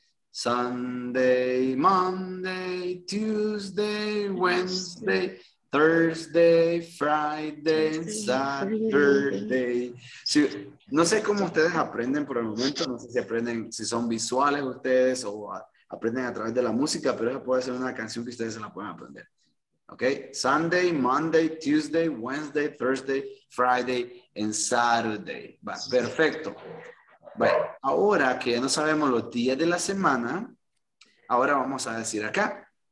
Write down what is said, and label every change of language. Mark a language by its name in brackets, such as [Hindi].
[English] Sunday, Monday, Tuesday, Wednesday, Thursday, Friday, Saturday. [Spanish] Sí, no sé cómo ustedes aprenden por el momento. No sé si aprenden, si son visuales ustedes o aprenden a través de la música, pero esa puede ser una canción que ustedes se la pueden aprender. [English] Okay, Sunday, Monday, Tuesday, Wednesday, Thursday, Friday, and Saturday. [Spanish] Va, perfecto. Bueno, ahora que ya no sabemos los días de la semana, ahora vamos a decir acá.